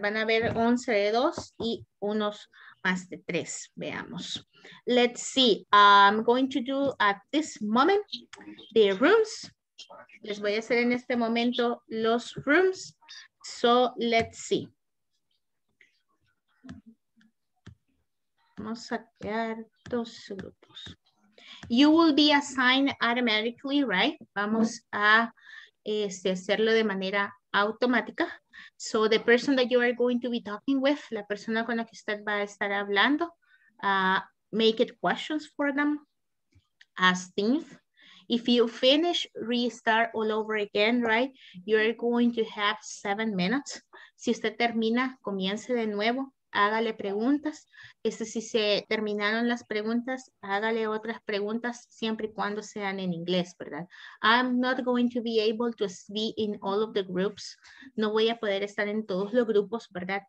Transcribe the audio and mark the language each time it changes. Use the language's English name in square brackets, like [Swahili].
[Spanish] Van a haber 11 de 2 y unos más de 3. Veamos. [English] Let's see. I'm going to do at this moment the rooms. [Spanish] Les voy a hacer en este momento los rooms. [English] So, let's see. [Spanish] Vamos a crear dos grupos. [English] You will be assigned automatically, right? [Spanish] Vamos a hacerlo de manera automática. [English] So the person that you are going to be talking with, [Spanish] la persona con la que usted va a estar hablando, [English] make it questions for them, ask things. If you finish, restart all over again, right? You are going to have 7 minutes. [Spanish] Si usted termina, comience de nuevo, hágale preguntas. Si se terminaron las preguntas, hágale otras preguntas siempre y cuando sean en inglés, ¿verdad? [English] I'm not going to be able to be in all of the groups. [Spanish] No voy a poder estar en todos los grupos, ¿verdad?